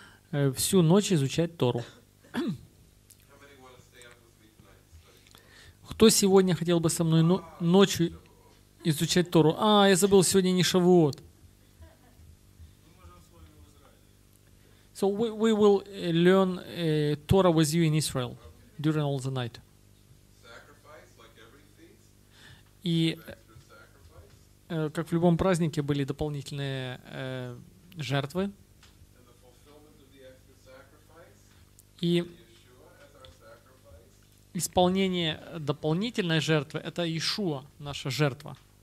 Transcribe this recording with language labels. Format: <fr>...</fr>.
<ru>Всю ночь изучать Тору. Кто сегодня хотел бы со мной ночью изучать Тору? А, я забыл, сегодня не Шавуот.</ru> <en>So we will learn Torah with you in Israel during all the night.</en> <ru>И как в любом празднике были дополнительные жертвы. И исполнение дополнительной жертвы — это Иешуа, наша жертва.</ru>